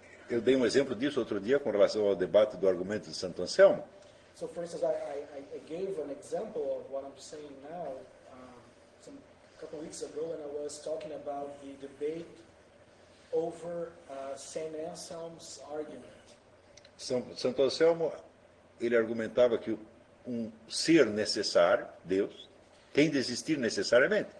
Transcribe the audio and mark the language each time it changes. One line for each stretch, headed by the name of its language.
Portuguese: Eu dei um exemplo disso outro dia com relação ao debate do argumento de Santo Anselmo.
English: So, for instance, I gave an example of what I'm saying now, some couple weeks ago, when I was talking about the debate over Saint Anselm's argument.
Portuguese: Santo Anselmo, ele argumentava que um ser necessário, Deus, tem de existir necessariamente.